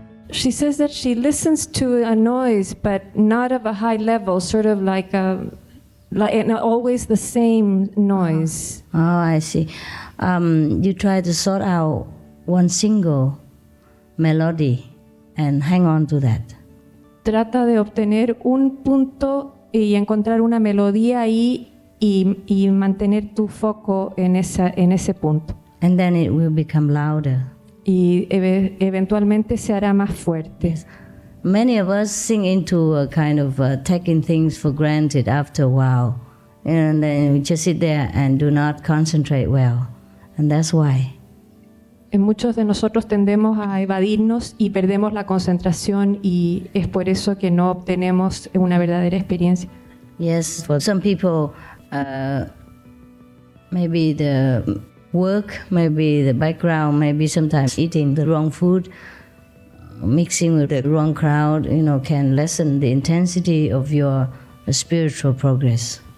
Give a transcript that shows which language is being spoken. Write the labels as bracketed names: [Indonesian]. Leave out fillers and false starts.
[English] She says that she listens to a noise, but not of a high level, sort of like a... Like, and always the same noise. Oh, I see. You try to sort out one single melody and hang on to that. [Spanish] Trata de obtener un punto y encontrar una melodía ahí y mantener tu foco en ese punto. [English] And then it will become louder. [Spanish] Y eventualmente se hará más fuerte. [English] Yes. Many of us sink into a kind of taking things for granted after a while. And then we just sit there and do not concentrate well. And that's why. [Spanish] En muchos de nosotros tendemos a evadirnos y perdemos la concentración y es por eso que no obtenemos una verdadera experiencia. [English] Yes, for some people, maybe the work, maybe the background, maybe sometimes eating the wrong food, mixing with the wrong crowd, you know, can lessen the intensity of your spiritual progress.